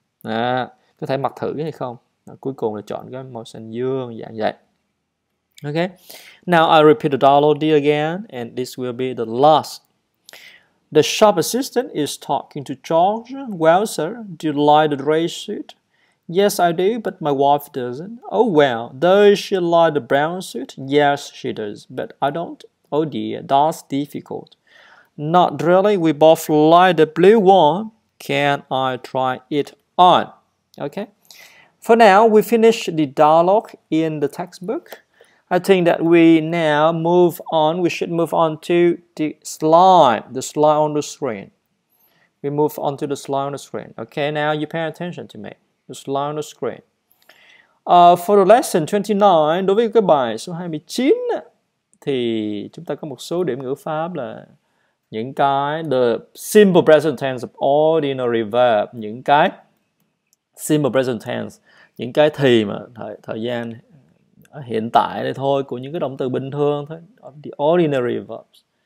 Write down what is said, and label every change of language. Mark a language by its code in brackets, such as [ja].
[vi] À, có thể mặc thử hay không? À, cuối cùng là chọn cái màu xanh dương dạng vậy. [en] Okay. Now I repeat the dialogue again, and this will be the last. The shop assistant is talking to George. Well, sir, do you like the dress suit? Yes, I do, but my wife doesn't. Oh, well, does she like the brown suit? Yes, she does, but I don't. Oh, dear, that's difficult. Not really. We both like the blue one. Can I try it on? Okay. For now, we finish the dialogue in the textbook. I think that we now move on. We should move on to the slide on the screen. We move on to the slide on the screen. Okay, now you pay attention to me. The slide on the screen. For the lesson 29, [vi] đối với cái bài số 29, thì chúng ta có một số điểm ngữ pháp là những cái [en] the simple present tense of ordinary verb, [vi] những cái simple present tense, những cái thì mà thời gian hiện tại đây thôi của những cái động từ bình thường thôi, [en] the ordinary verbs.